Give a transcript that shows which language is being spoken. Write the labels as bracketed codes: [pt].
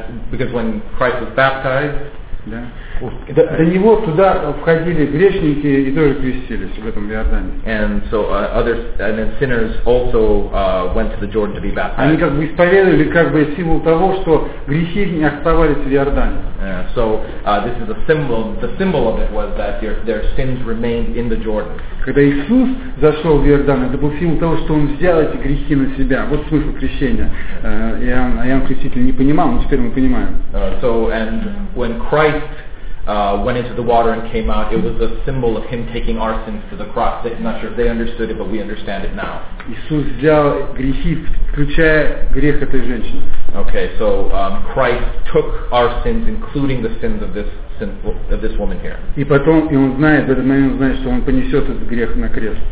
[en] Because when Christ was baptized. [ru] До него туда входили грешники и тоже крестились в этом Иордане. [en] And so others, and then sinners also went to the Jordan to be baptized. [ru] Они как бы исповедовали как бы символ того, что грехи не оставались в Иордане. [en] So this is a symbol. The symbol of it was that their sins remained in the Jordan. [ru] Когда Иисус зашел в Иордан, это был символ того, что он взял эти грехи на себя. Вот смысл крещения. Иоанн Креститель не понимал, но теперь мы понимаем. [en] So and when Christ went into the water and came out, it was a symbol of him taking our sins to the cross. I'm not sure if they understood it, but we understand it now. [ru] Иисус взял грехи, включая грех этой женщины. [en] Okay, so Christ took our sins, including the sins of this woman here. [ru] И потом, и он знает, в этот момент он знает, что он понесет этот грех на крест.